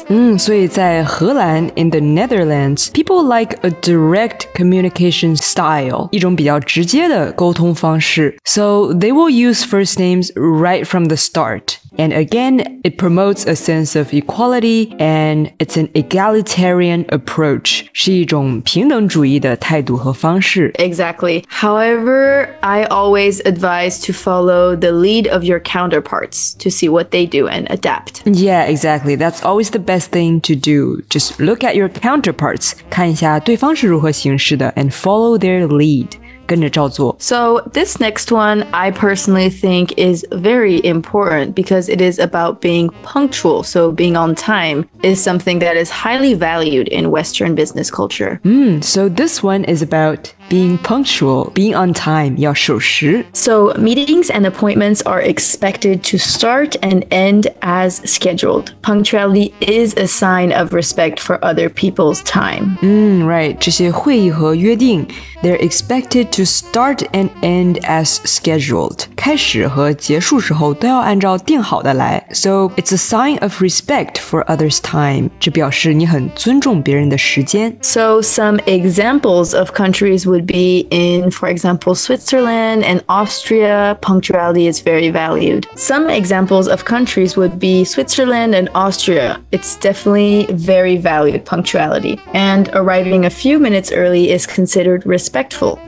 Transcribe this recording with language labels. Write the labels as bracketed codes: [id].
[en] So in the Netherlands, people like a direct communication style, [zh] 一种比较直接的沟通方式。 [en] So they will use first names right from the start. And again, it promotes a sense of equality and it's an egalitarian approach. [zh] 是一种平等主义的态度和方式。 [en] Exactly. However, I always advise to follow the lead of your counterparts to see what they do and adapt. Yeah, exactly. That's always the best thing to do. Just look at your counterparts, [zh] 看一下对方是如何行事的 [en] and follow their lead. So this next one, I personally think is very important because it is about being punctual. So being on time is something that is highly valued in Western business culture. So this one is about... Being punctual, being on time, [zh] 要守时。 [en] So meetings and appointments are expected to start and end as scheduled. Punctuality is a sign of respect for other people's time. Right, [zh] 这些会议和约定, [en] they're expected to start and end as scheduled. [zh] 开始和结束时候都要按照定好的来。 [en] So it's a sign of respect for others' time. [zh] 这表示你很尊重别人的时间。 [en] So some examples of countries would be in, for example, Switzerland and Austria, punctuality is very valued. Some examples of countries would be Switzerland and Austria. It's definitely very valued punctuality. And arriving a few minutes early is considered respectful.